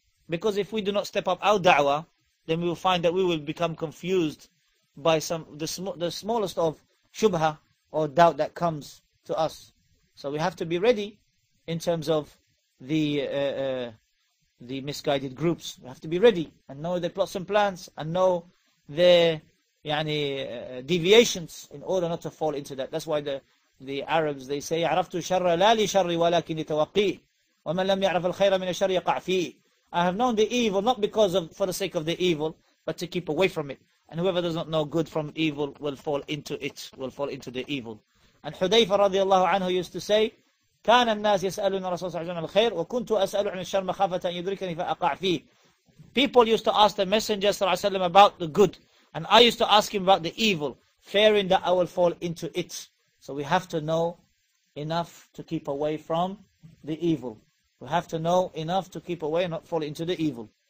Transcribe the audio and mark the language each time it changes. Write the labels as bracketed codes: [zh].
[en] Because if we do not step up our da'wah, then we will find that we will become confused by the smallest of shubha or doubt that comes to us. So we have to be ready in terms of the misguided groups. We have to be ready and know their plots and plans and know their deviations in order not to fall into that. That's why the Arabs, they say, [ar] عَرَفْتُ شَرَّ لَا لِشَرِّ وَلَكِنْ لِتَوَقِّيهِ وَمَنْ لَمْ يَعْرَفَ الْخَيْرَ مِنَ الشَّرِّ يَقَعْ فِيهِ. [en] I have known the evil, not because of for the sake of the evil, but to keep away from it. And whoever does not know good from evil will fall into it, will fall into the evil. And Hudayfa radiallahu anhu used to say, [ar] كَانَ النَّاسِ يَسْأَلُونَ رَسُولَ صَلَّى اللَّهُ وَكُنْتُ أَسْأَلُ عَنِ الشَّرِّ مَخَافَةً أَنْ يُدْرِكَنِي فَأَقَعْ فِيهِ. [en] People used to ask the Messenger صلى الله عليه وسلم about the good, and I used to ask him about the evil, fearing that I will fall into it. So we have to know enough to keep away from the evil. We have to know enough to keep away and not fall into the evil.